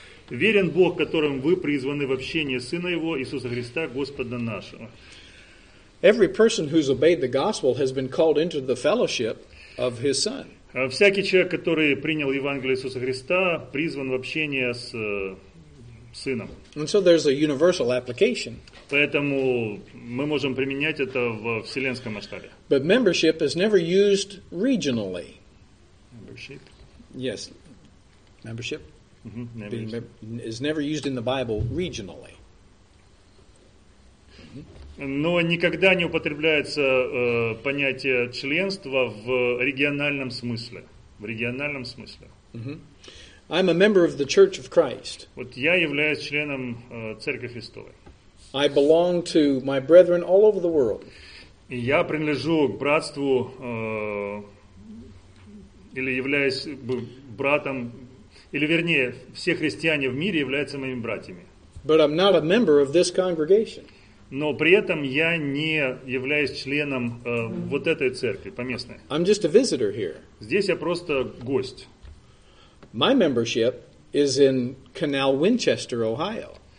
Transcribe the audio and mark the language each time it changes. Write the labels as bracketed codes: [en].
[ru] Верен Бог, которым вы призваны в общение Сына Его, Иисуса Христа, Господа нашего. [en] Every person who's obeyed the gospel has been called into the fellowship of his son. [ru] Всякий человек, который принял Евангелие Иисуса Христа, призван в общение с Сыном. [en] And so there's a universal application. [ru] Поэтому мы можем применять это в вселенском масштабе. [en] But membership is never used regionally. Membership? Yes. Membership? Is never used in the Bible regionally. [ru] Но никогда не употребляется понятие членства в региональном смысле. В региональном смысле. Mm-hmm. [en] I'm a member of the Church of Christ. [ru] Вот я являюсь членом Церкви Христовой. [en] I belong to my brethren all over the world. [ru] И я принадлежу к братству или являюсь братом, или вернее, все христиане в мире являются моими братьями. [en] But I'm not a member of this congregation. [ru] Но при этом я не являюсь членом вот этой церкви, поместной. [en] I'm just a visitor here. [ru] Здесь я просто гость. [en] My membership is in Canal Winchester, Ohio.